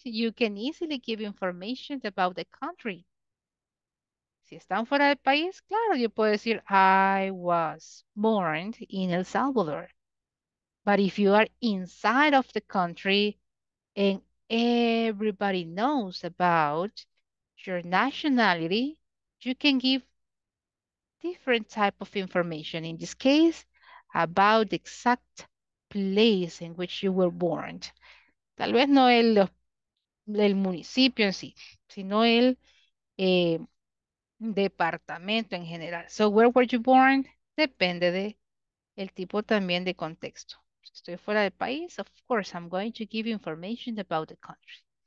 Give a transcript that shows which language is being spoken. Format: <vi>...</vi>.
<en>You can easily give information about the country.</en> <es>Si están fuera del país, claro, yo puedo decir,</es> <en>I was born in El Salvador. But if you are inside of the country and everybody knows about your nationality, you can give different type of information, in this case, about the exact place in which you were born.</en> <es>Tal vez no el municipio en sí, sino el departamento en general.</es> <en>So where were you born?</en> <es>Depende de el tipo también de contexto. Si estoy fuera del país,</es> <en>of course, I'm going to give you information about the country.</en>